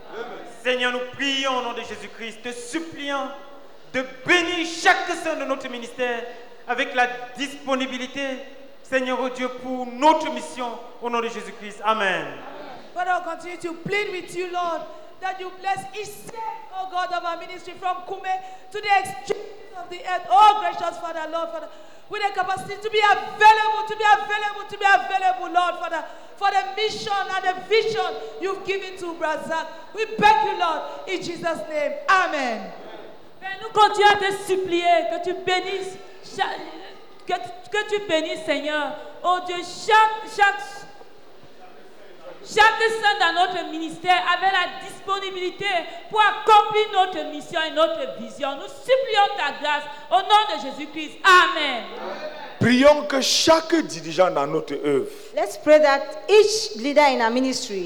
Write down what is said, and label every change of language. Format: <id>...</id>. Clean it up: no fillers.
<fr>Amen. Seigneur, nous prions au nom de Jésus-Christ, te suppliant de bénir chaque saint de notre ministère avec la disponibilité, Seigneur, oh Dieu, pour notre mission, au nom de Jésus-Christ. Amen. Amen.</fr> <en>Father, we continue to plead with you, Lord, that you bless each saint, oh God, of our ministry, from Koumé to the extremities of the earth. Oh, gracious Father, Lord, Father, with the capacity to be available, to be available, to be available, Lord, Father, for the mission and the vision you've given to Brazzac. We beg you, Lord, in Jesus' name. Amen. Amen.</en> <fr>Nous continuons à te supplier que tu bénisses chaque... Que tu bénisses, Seigneur, oh Dieu, chaque saint dans notre ministère avait la disponibilité pour accomplir notre mission et notre vision. Nous supplions ta grâce au nom de Jésus-Christ. Amen. Prions que chaque dirigeant dans notre œuvre.</fr> <en>Let's pray that each leader in our ministry,</en>